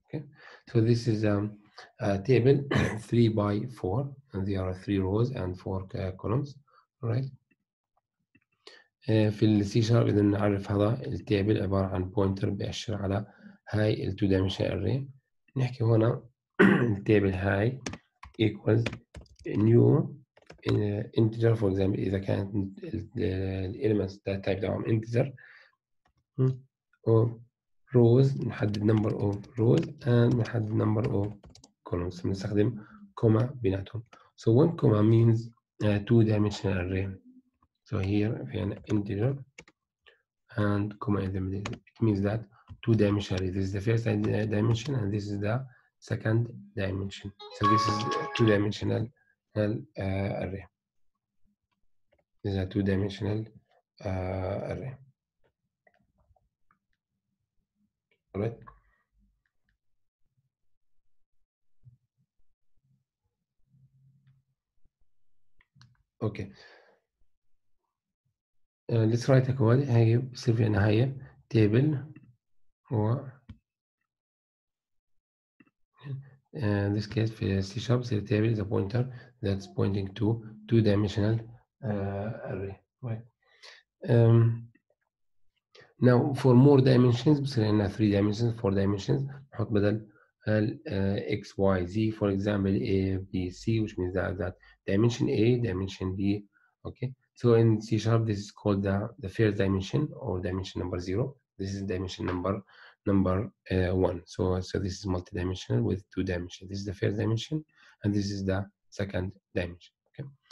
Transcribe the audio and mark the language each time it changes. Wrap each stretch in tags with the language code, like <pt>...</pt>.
<en>Okay? So this is a table 3 by 4 and there are 3 rows and 4 columns. Right?</en> <ar>في الـ C Sharp إذا نعرف هذا الـ table عبارة عن pointer بيأشر على هاي الـ 2 dimensional array. نحكي هنا الـ table هاي</ar> <en>equals new integer. For example,</en> <ar>إذا كانت الـ</ar> <en>elements type دعم integer, rows نحدد number of rows and نحدد number of columns,</en> <ar>نستخدم</ar> <en>comma</en> <ar>بيناتهم.</ar> <en>So one comma means 2 dimensional array. So here we have an integer and comma in the middle. It means that two dimensional. This is the first dimension and this is the second dimension. So this is two dimensional array. This is a two dimensional array. All right. Okay. Let's write a code.</en> <ar>هاي بصير في عندنا هاي table, هو</ar> <en>in this case</en> <ar>في</ar> <en>C sharp زي table is a pointer that's pointing to two dimensional array right. Now for more dimensions</en> <ar>بصير عندنا</ar> <en>3 dimensions 4 dimensions</en> <ar>نحط بدل</ar> <en>x y z for example a b c which means that, that dimension a dimension b okay so in C sharp this is called the first dimension or dimension number 0 this is dimension number 1 so this is multidimensional with two dimensions this is the first dimension and this is the second dimension okay</en>